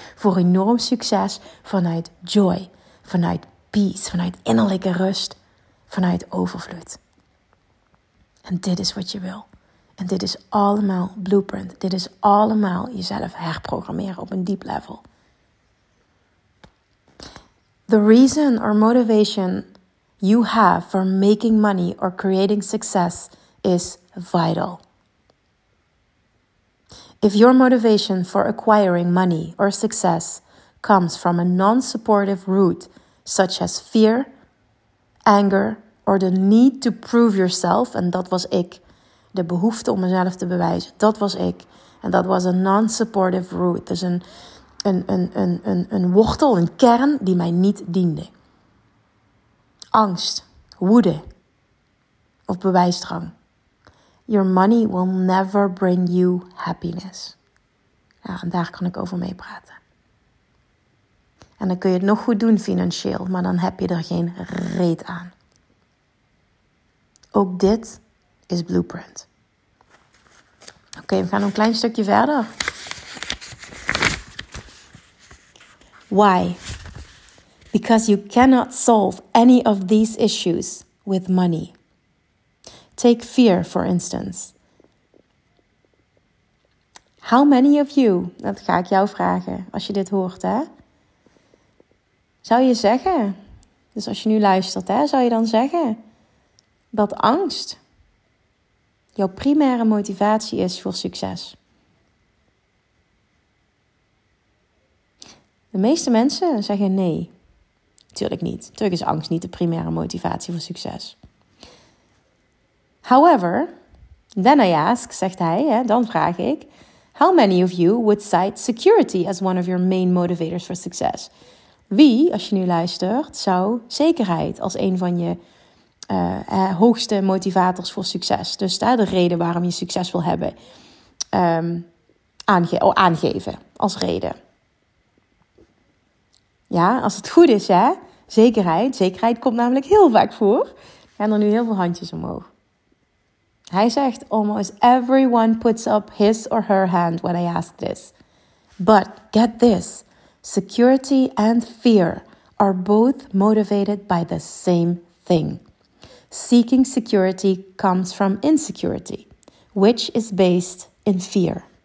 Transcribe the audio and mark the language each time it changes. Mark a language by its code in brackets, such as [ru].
[nl] Voor enorm succes vanuit joy. Vanuit peace. Vanuit innerlijke rust. Vanuit overvloed. En dit is wat je wil. En dit is allemaal blueprint. Dit is allemaal jezelf herprogrammeren op een [en] deep level. The reason or motivation you have for making money or creating success is vital. If your motivation for acquiring money or success comes from a non-supportive root, such as fear, anger, or the need to prove yourself, and that was [nl] ik, de behoefte om mezelf te bewijzen, dat was ik, [en] and that was a non-supportive root, [nl] dus een wortel, een kern die mij niet diende. Angst, woede of bewijsdrang. [en] Your money will never bring you happiness. [nl] Ja, en daar kan ik over meepraten. En dan kun je het nog goed doen financieel, maar dan heb je er geen reet aan. Ook dit is blueprint. Oké, we gaan een klein stukje verder. [en] Why? Because you cannot solve any of these issues with money. Take fear, for instance. How many of you, [nl] dat ga ik jou vragen als je dit hoort, hè? Zou je zeggen, dus als je nu luistert, hè, zou je dan zeggen dat angst jouw primaire motivatie is voor succes? De meeste mensen zeggen nee. Tuurlijk niet. Tuurlijk is angst niet de primaire motivatie voor succes. [en] However, then I ask, [nl] zegt hij, hè, dan vraag ik, [en] how many of you would cite security as one of your main motivators for success? [nl] Wie, als je nu luistert, zou zekerheid als een van je hoogste motivators voor succes, dus daar de reden waarom je succes wil hebben, aangeven als reden? Ja, als het goed is, hè? Zekerheid. Zekerheid komt namelijk heel vaak voor. Gaan er nu heel veel handjes omhoog. Hij zegt, [en] almost everyone puts up his or her hand when I ask this. But get this, security and fear are both motivated by the same thing. Seeking security comes from insecurity, which is based in fear.